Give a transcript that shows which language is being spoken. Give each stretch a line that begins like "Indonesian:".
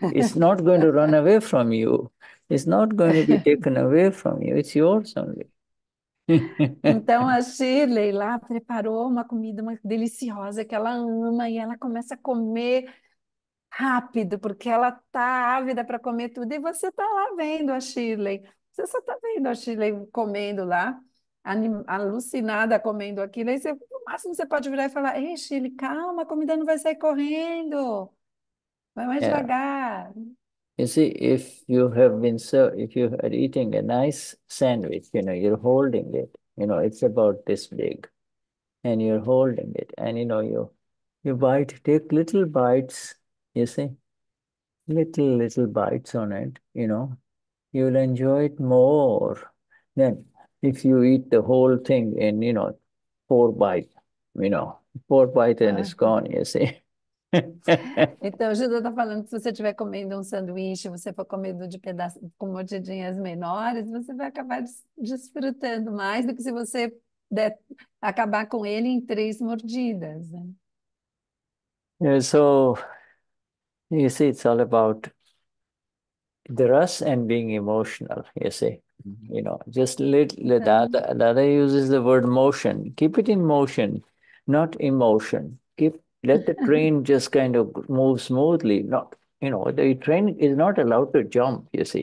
English: It's not going to run away from you. It's not going to be taken away from you. It's yours only.
Portuguese: Então a Shirley lá preparou uma comida deliciosa que ela ama e ela começa a comer rápido porque ela tá ávida para comer tudo. E você tá lá vendo a Shirley, você só tá vendo a Shirley comendo lá, alucinada comendo aquilo. Aí você, no máximo você pode virar e falar: Ei, Shirley, calma, a comida não vai sair correndo. Vai mais
English: Yeah.
Portuguese: devagar.
English: You see, if you are eating a nice sandwich, you know, you're holding it, you know, it's about this big, and you're holding it, and you know, you bite, take little bites, you see, little bites on it, you know, you'll enjoy it more than if you eat the whole thing in, you know, four bites and it's gone, you see.
Portuguese: Então, o Judas está falando que se você estiver comendo um sanduíche, você for comendo de pedaço com mordidinhas menores, você vai acabar desfrutando mais do que se você der, acabar com ele em três mordidas, né?
English: So, you see, it's all about the rus and being emotional, you see. You know, just little,
Portuguese: Então.
English: Dada uses the word motion. Keep it in motion, not emotion. Let the train just kind of move smoothly. Not, you know, the train is not allowed to jump, you see.